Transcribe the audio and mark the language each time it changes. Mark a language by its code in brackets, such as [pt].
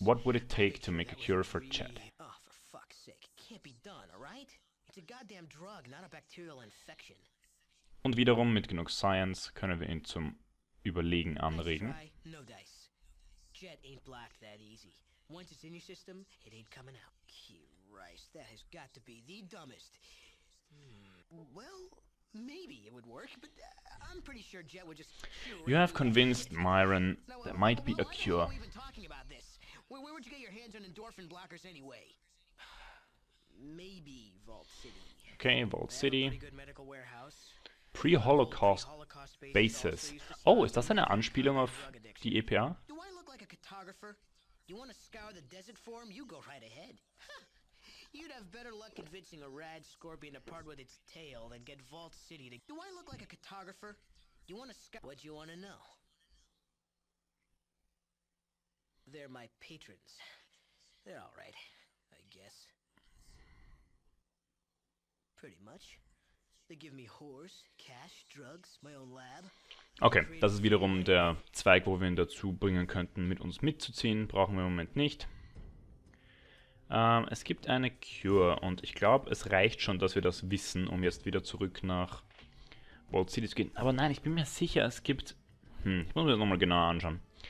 [en] What would it take to make a cure for Chet? Oh, for fuck's sake! Can't be done, all right? It's a goddamn drug, not a bacterial infection. [de] Und wiederum mit genug Science können wir ihn zum Überlegen anregen. [en] No dice. Jet ain't blocked that easy. Once it's in your system, it ain't coming out. Christ, that has got to be the dumbest. Well, maybe it would work, but I'm pretty sure Jet would just. You have convinced Myron there might be a cure. Why are we even talking about this? Where would you get your hands on endorphin blockers anyway? Maybe Vault City. Okay, Vault City. Pretty good medical warehouse. Pre-Holocaust Basis. [de] Oh, ist das eine Anspielung auf die EPA? [en] Do I look like a cartographer? You want to scour the desert for him? You go right ahead. You'd have better luck convincing a rad scorpion to part with its tail than get Vault City to. Do I look like a cartographer? You want to scour. What do you want to know? They're my patrons. They're all right, I guess. Pretty much. They give me whores, cash, drugs, my own lab. [de] Okay, das ist wiederum der Zweig, wo wir ihn dazu bringen könnten, mit uns mitzuziehen. Brauchen wir im Moment nicht. Es gibt eine Cure und ich glaube, es reicht schon, dass wir das wissen, um jetzt wieder zurück nach Vault City zu gehen. Aber nein, ich bin mir sicher, es gibt. Ich muss mir das nochmal genauer anschauen.